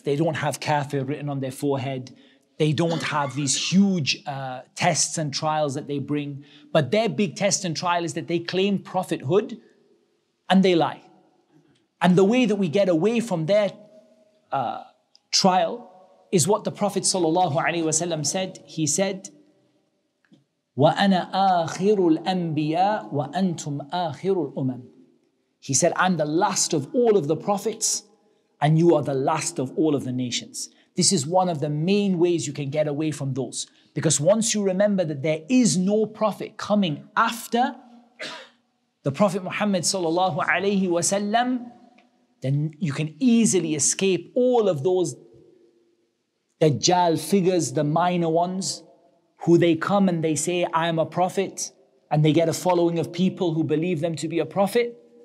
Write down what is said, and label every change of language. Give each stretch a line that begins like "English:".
English: They don't have kafir written on their forehead. They don't have these huge tests and trials that they bring. But their big test and trial is that they claim prophethood and they lie. And the way that we get away from their trial is what the Prophet sallallahu alaihi wasallam said. He said,
Arabic: وَأَنَا آخِرُ الْأَنْبِيَاءَ وَأَنْتُمْ آخِرُ الْأُمَمْ.
English: He said, I'm the last of all of the prophets and you are the last of all of the nations. This is one of the main ways you can get away from those. Because once you remember that there is no prophet coming after the Prophet Muhammad sallallahu alaihi wasallam, then you can easily escape all of those Dajjal figures, the minor ones, who they come and they say, I am a prophet, and they get a following of people who believe them to be a prophet.